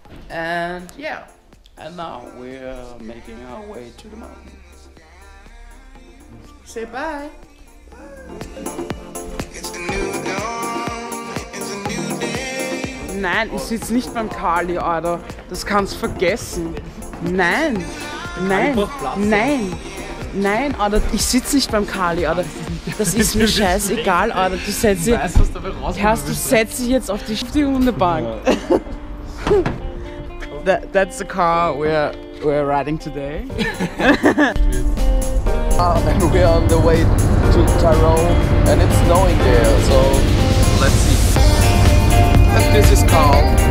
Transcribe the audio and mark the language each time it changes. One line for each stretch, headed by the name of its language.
English: And yeah, and now we're making our way to the mountains. Say bye. It's the new dawn, it's a new day.
German: Nein, ich sitze nicht beim Kali, Alter. Das kannst du vergessen. Nein, nein, nein. Nein, Alter, ich sitze nicht beim Kali, Alter. Das ist mir scheißegal, Alter. Du setzt dich. Du setzt dich jetzt auf die Hundebank.
English: That's the car we're riding today. We are on the way to Tyrol and it's snowing there, so let's see. And this is calm.